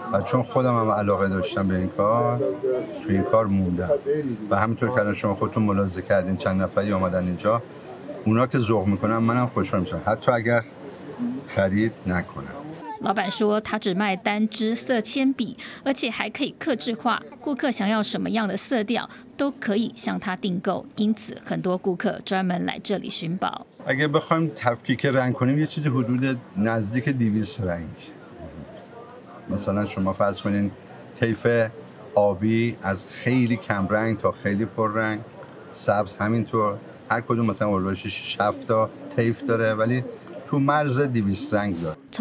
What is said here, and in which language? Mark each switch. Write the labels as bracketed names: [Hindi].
[Persian] چون خودم هم علاقه داشتم به این کار، تو این کار موندم و همینطور که شما خودتون ملاحظه کردین چند نفری آمدن اینجا اونا که ذوق میکنن منم خوشحال میشم حتی اگر خرید نکنم [Chinese] 老板说他只卖单支色铅笔，而且还可以客制化，顾客想要什么样的色调都可以向他订购，因此很多顾客专门来这里寻宝 [Persian] اگر بخوایم تفکیک رنگ کنیم یه چیزی حدود نزدیک 200 رنگ مثلا شما فرض کنین طیف آبی از خیلی کم رنگ تا خیلی پر رنگ سبز همینطور هر کدوم مثلا اولوشش 7 تا طیف داره ولی تو مرز 200 رنگ داره